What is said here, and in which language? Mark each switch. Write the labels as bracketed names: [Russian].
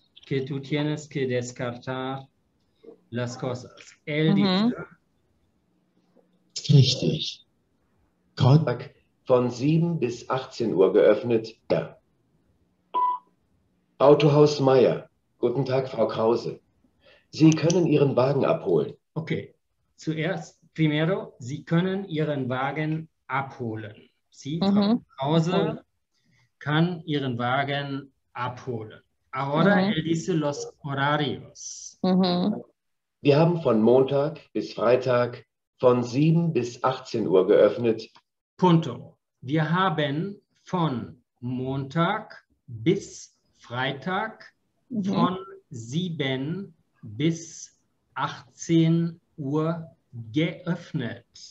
[Spanish] Que tú tienes que descartar las cosas. Él dice. [German] Richtig. Contact von 7 bis 18 Uhr geöffnet. Ja. Autohaus Meier. Guten Tag, Frau Krause. Sie können Ihren Wagen abholen. Okay. Zuerst. [Spanish] Primero, [German] Sie können Ihren Wagen abholen. Sie, Frau Krause, kann Ihren Wagen abholen. [Spanish] Ahora él dice los horarios. [German] Wir haben von Montag bis Freitag von 7 bis 18 Uhr geöffnet. [Spanish] Punto. [German] Wir haben von Montag bis Freitag von 7 bis 18 Uhr geöffnet.